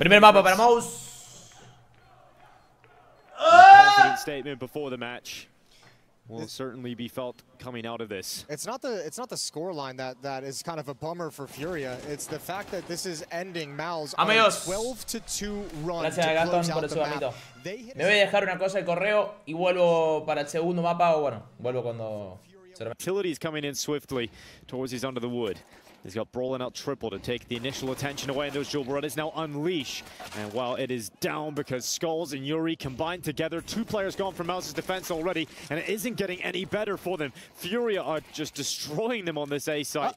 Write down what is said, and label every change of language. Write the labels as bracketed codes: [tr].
[es] primer mapa para Maus. [en] Statement before the match will certainly be felt coming out of this. It's not the scoreline that is kind of a bummer for Furia. It's the fact that this is ending Maus on 12-2 run. [es] Gracias, Gastón, por el sub, amito. Me voy a dejar una cosa de correo y vuelvo para el segundo mapa o bueno, vuelvo cuando [en] utility is coming in swiftly towards his under the wood. He's got Brawling out triple to take the initial attention away. And those dual brothers now unleash. And while it is down because Skulls and Yuri combined together, two players gone from Mouse's defense already. And it isn't getting any better for them. Furia are just destroying them on this A site.